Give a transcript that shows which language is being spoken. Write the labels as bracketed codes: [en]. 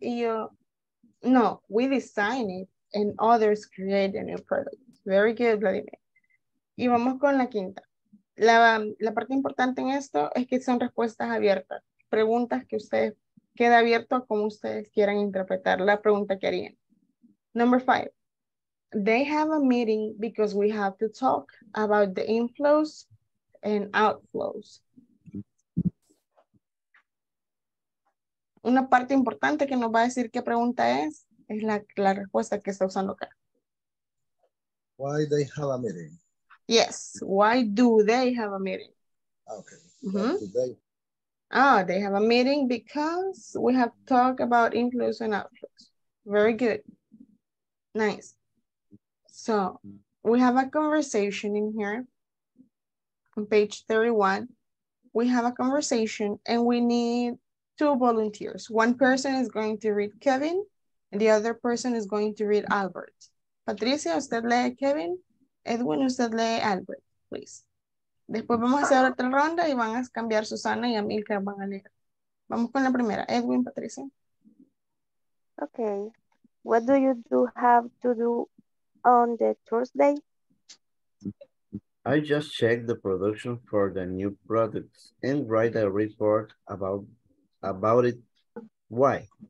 [es] Y yo no, [en] we design it and others create a new product. Very good, Vladimir. [es] Y vamos con la quinta. La parte importante en esto es que son respuestas abiertas. Preguntas que ustedes queda abierto a cómo ustedes quieran interpretar la pregunta que harían. [en] Number five. They have a meeting because we have to talk about the inflows and outflows. [es] Una parte importante que nos va a decir qué pregunta es la respuesta que está usando acá. [en] Why they have a meeting? Yes. Why do they have a meeting? Okay. Mm-hmm. They have a meeting because we have talked about inflows and outflows. Very good. Nice. So we have a conversation in here on page 31. We have a conversation and we need two volunteers. One person is going to read Kevin, and the other person is going to read Albert. [es] Patricia, usted lee Kevin. Edwin, usted lee Albert, please. Después vamos a hacer otra ronda y van a cambiar Susana y Amilcar van a leer. Vamos con la primera. Edwin, Patricia. Okay. [en] What do you do have to do on the Thursday? I just check the production for the new products and write a report about it. Why?